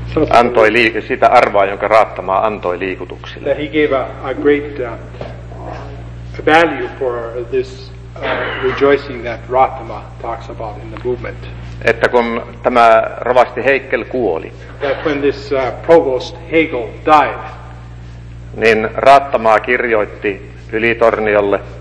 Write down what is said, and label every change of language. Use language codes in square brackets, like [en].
[fi] antoi sitä arvoa, jonka Raattama antoi liikutuksille. [en] That he gave a great value for this rejoicing that Raattama talks about in the movement. [fi] Että kun tämä rovasti Heikkel kuoli. [en] That when this provost Hegel died. [fi] Niin Raattamaa kirjoitti Ylitorniolle,